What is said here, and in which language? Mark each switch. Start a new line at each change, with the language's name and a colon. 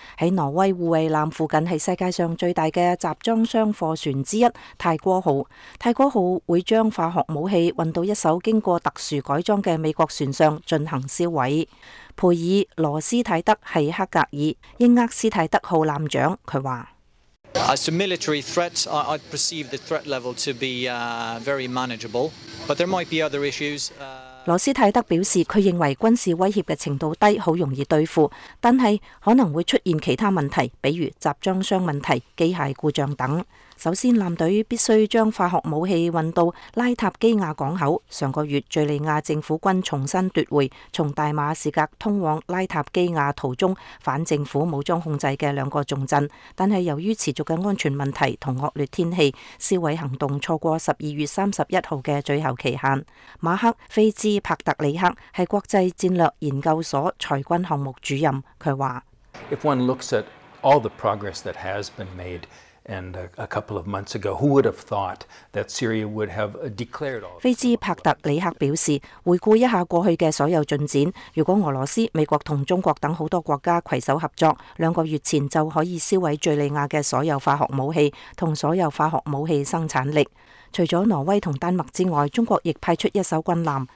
Chinese: 在挪威护卫舰附近是世界上最大的集装箱货船之一泰戈号。泰戈号会将化学武器运到一艘经过特殊改装的美国船上进行销毁。佩尔·罗斯泰德是克格尔英厄斯泰德号舰长，他说
English: As to military threats, I perceive the threat level to be very manageable, but there might be other issues.
Chinese: 罗斯泰德表示，他认为军事威胁的程度低，很容易对付，但是可能会出现其他问题，比如集装箱问题、机械故障等。首先，舰队必须将化学武器运到拉塔基亚港口。上个月，叙利亚政府军重新夺回从大马士革通往拉塔基亚途中反政府武装控制的两个重镇，但是由于持续的安全问题和恶劣天气，销毁行动错过12月31号的最后期限。马克·菲兹帕特里克是国际战略研究所裁军项目主任，他说
English: If one looks at all the progress that has been made,And a couple of months ago, who would have thought that Syria would have declared all?
Chinese: 菲茨帕特里克表示，回顾一下过去的所有进展，如果俄罗斯、美国和中国等很多国家携手合作，两个月前就可以销毁叙利亚的所有化学武器和所有化学武器生产力。除了挪威和丹麦之外，中国亦派出一艘军舰。